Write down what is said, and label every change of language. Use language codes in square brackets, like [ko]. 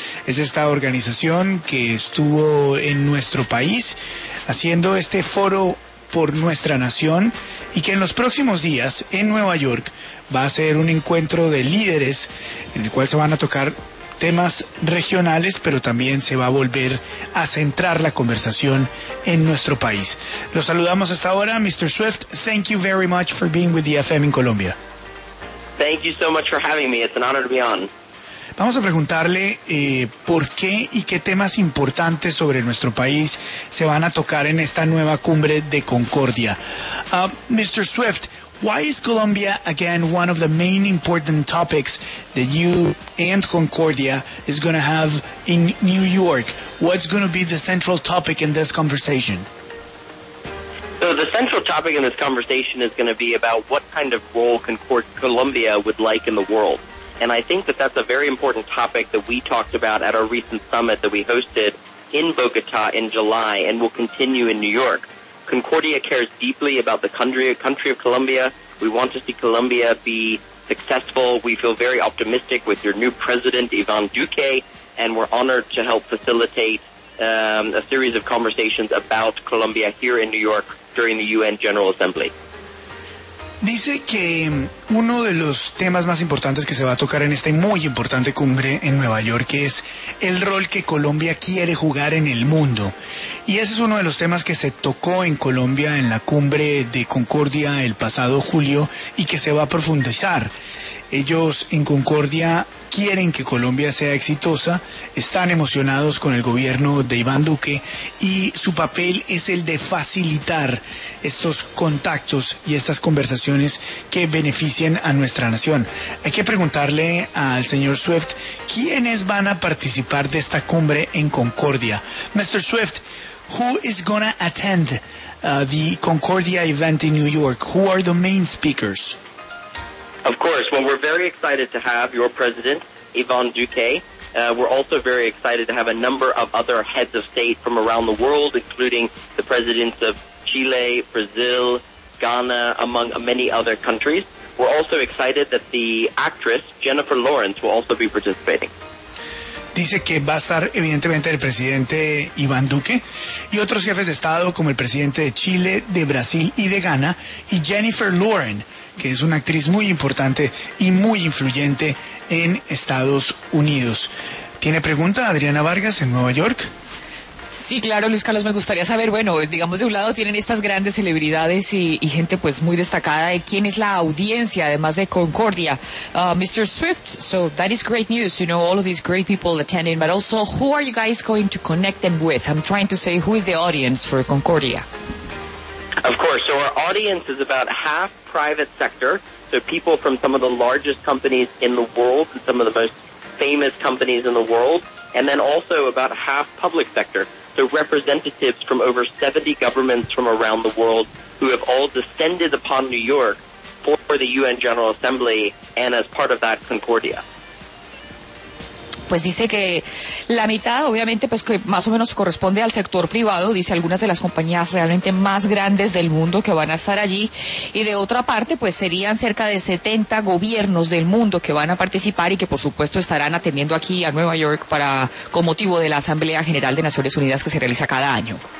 [es] Es esta organización que estuvo en nuestro país haciendo este foro por nuestra nación y que en los próximos días en Nueva York va a ser un encuentro de líderes en el cual se van a tocar temas regionales, pero también se va a volver a centrar la conversación en nuestro país. Los saludamos hasta ahora. Mr. [en] Swift, thank you very much for being with the FM in Colombia. Thank you so much for having me. It's an honor to be on. [es] Vamos a preguntarle por qué y qué temas importantes sobre nuestro país se van a tocar en esta nueva cumbre de Concordia. [en] Mr. Swift, why is Colombia, again, one of the main important topics that you and Concordia is going to have in New York? What's going to be the central topic in this conversation? So the central topic in this conversation is going to be about what kind of role Colombia would like in the world. And I think that that's a very important topic that we talked about at our recent summit that we hosted in Bogota in July and will continue in New York. Concordia cares deeply about the country of Colombia. We want to see Colombia be successful. We feel very optimistic with your new president, Iván Duque, and we're honored to help facilitate a series of conversations about Colombia here in New York during the UN General Assembly. [es] Dice que uno de los temas más importantes que se va a tocar en esta muy importante cumbre en Nueva York es el rol que Colombia quiere jugar en el mundo. Y ese es uno de los temas que se tocó en Colombia en la cumbre de Concordia el pasado julio y que se va a profundizar. Ellos en Concordia quieren que Colombia sea exitosa, están emocionados con el gobierno de Iván Duque y su papel es el de facilitar estos contactos y estas conversaciones que beneficien a nuestra nación. Hay que preguntarle al señor Swift, ¿quiénes van a participar de esta cumbre en Concordia? [en] Mr. Swift, who is going to attend the Concordia event in New York? Who are the main speakers? Of course. Well, we're very excited to have your president, Iván Duque. We're also very excited to have a number of other heads of state from around the world, including the presidents of Chile, Brazil, Ghana, among many other countries. We're also excited that the actress, Jennifer Lawrence, will also be participating. [es] Dice que va a estar, evidentemente, el presidente Iván Duque y otros jefes de Estado, como el presidente de Chile, de Brasil y de Ghana, y Jennifer Lawrence, que es una actriz muy importante y muy influyente en Estados Unidos. ¿Tiene pregunta Adriana Vargas en Nueva York? Sí, claro, Luis Carlos, me gustaría saber, bueno, digamos de un lado tienen estas grandes celebridades y gente pues muy destacada, de quién es la audiencia, además de Concordia. [en] Mr. Swift, so that is great news, you know, all of these great people attending, but also who are you guys going to connect them with? I'm trying to say who is the audience for Concordia. Of course. So our audience is about half private sector, so people from some of the largest companies in the world and some of the most famous companies in the world, and then also about half public sector, so representatives from over 70 governments from around the world who have all descended upon New York for the UN General Assembly and as part of that Concordia. [es] Pues dice que la mitad, obviamente, pues que más o menos corresponde al sector privado, dice algunas de las compañías realmente más grandes del mundo que van a estar allí, y de otra parte, pues serían cerca de 70 gobiernos del mundo que van a participar y que, por supuesto, estarán atendiendo aquí a Nueva York para con motivo de la Asamblea General de Naciones Unidas que se realiza cada año.